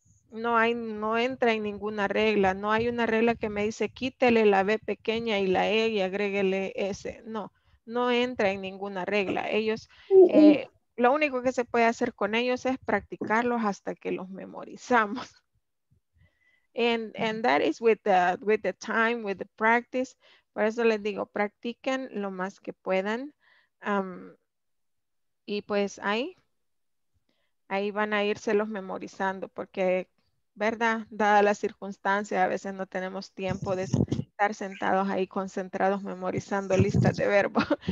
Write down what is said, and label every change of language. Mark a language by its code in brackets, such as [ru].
[es] No entra en ninguna regla. No hay una regla que me dice quítele la B pequeña y la E y agréguele S. No entra en ninguna regla. Ellos, lo único que se puede hacer con ellos es practicarlos hasta que los memorizamos. [en] And that is with the time, with the practice. [es] Por eso les digo, practiquen lo más que puedan. Y pues ahí van a irse los memorizando, porque, ¿verdad? Dada la circunstancia, a veces no tenemos tiempo de estar sentados ahí concentrados memorizando listas de verbos.